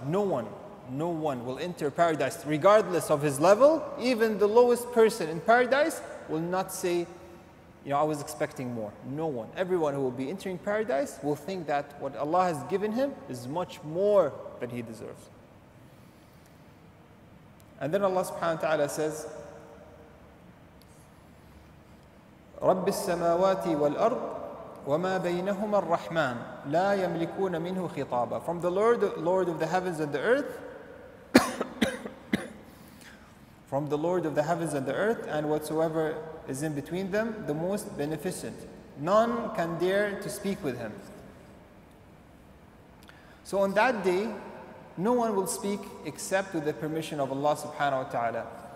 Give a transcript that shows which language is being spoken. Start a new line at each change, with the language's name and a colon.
English: No one will enter paradise, regardless of his level. Even the lowest person in paradise will not say, I was expecting more. No one. Everyone who will be entering paradise will think that what Allah has given him is much more than he deserves. And then Allah subhanahu wa ta'ala says,
Arabic: رَبِّ السَّمَاوَاتِ وَالْأَرْضِ وَمَا بَيْنَهُمَ الرَّحْمَانِ لَا يَمْلِكُونَ مِنْهُ خِطَابًا.
English: From the Lord of the heavens and the earth, from the Lord of the heavens and the earth, and whatsoever is in between them, the most beneficent. None can dare to speak with him. So on that day, no one will speak except with the permission of Allah subhanahu wa ta'ala.